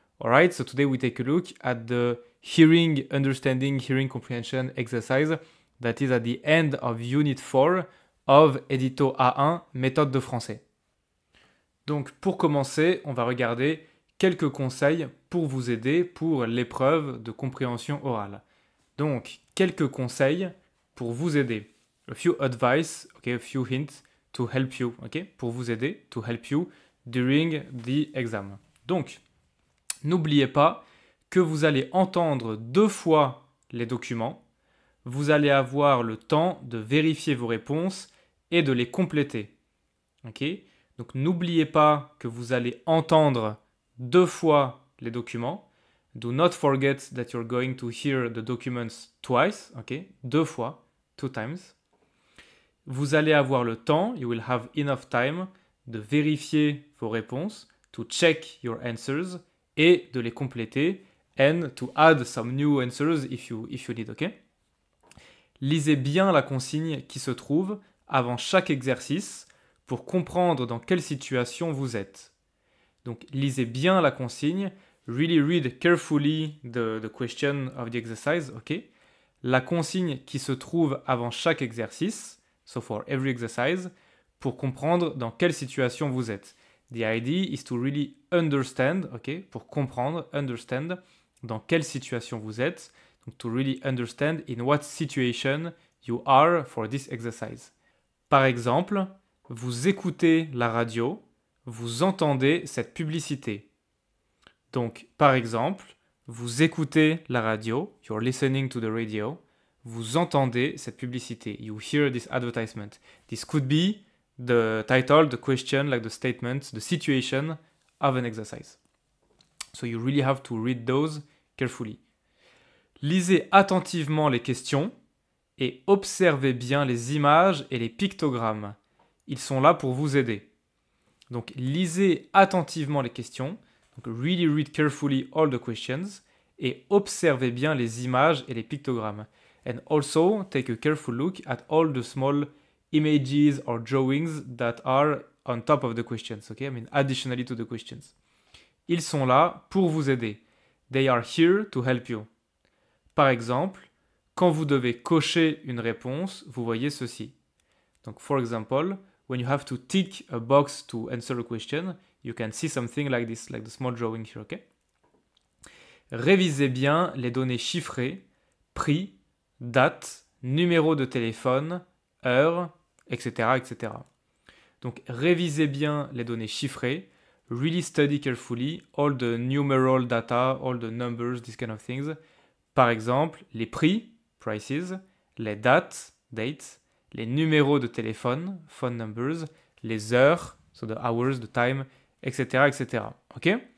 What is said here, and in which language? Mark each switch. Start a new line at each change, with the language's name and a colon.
English: Alright, so today we take a look at the Hearing Understanding, Hearing Comprehension exercise that is at the end of unit 4 of édito A1 méthode de français.
French: Donc, pour commencer, on va regarder quelques conseils pour vous aider pour l'épreuve de compréhension orale. Donc, quelques conseils pour vous aider.
English: A few advice, okay, a few hints to help you, okay,
French: pour vous aider,
English: to help you during the exam.
French: Donc, n'oubliez pas que vous allez entendre deux fois les documents. Vous allez avoir le temps de vérifier vos réponses et de les compléter. Ok? Donc, n'oubliez pas que vous allez entendre deux fois les documents.
English: Do not forget that you're going to hear the documents twice.
French: Ok? Deux fois.
English: Two times.
French: Vous allez avoir le temps.
English: You will have enough time
French: de vérifier vos réponses.
English: To check your answers.
French: Et de les compléter.
English: And to add some new answers if you need. Ok?
French: Lisez bien la consigne qui se trouve avant chaque exercice pour comprendre dans quelle situation vous êtes. Donc, lisez bien la consigne.
English: Really read carefully the question of the exercise, ok?
French: La consigne qui se trouve avant chaque exercice,
English: so for every exercise,
French: pour comprendre dans quelle situation vous êtes.
English: The idea is to really understand, ok?
French: Pour comprendre,
English: understand,
French: dans quelle situation vous êtes.
English: Donc, to really understand in what situation you are for this exercise.
French: Par exemple, vous écoutez la radio, vous entendez cette publicité. Donc, par exemple, vous écoutez la radio,
English: you're listening to the radio,
French: vous entendez cette publicité.
English: You hear this advertisement. This could be the title, the question, like the statement, the situation of an exercise. So you really have to read those carefully.
French: Lisez attentivement les questions et observez bien les images et les pictogrammes. Ils sont là pour vous aider. Donc, lisez attentivement les questions. Donc,
English: really read carefully all the questions
French: et observez bien les images et les pictogrammes.
English: And also take a careful look at all the small images or drawings that are on top of the questions. Okay, I mean additionally to the questions.
French: Ils sont là pour vous aider.
English: They are here to help you.
French: Par exemple, quand vous devez cocher une réponse, vous voyez ceci.
English: Donc, for example, when you have to tick a box to answer a question, you can see something like this, like the small drawing here, okay?
French: Révisez bien les données chiffrées, prix, date, numéro de téléphone, heure, etc., etc. Donc, révisez bien les données chiffrées.
English: Really study carefully all the numeral data, all the numbers, these kind of things.
French: Par exemple, les prix, prices, les dates, dates, les numéros de téléphone,
English: phone numbers,
French: les heures,
English: so the hours, the time,
French: etc., etc. OK?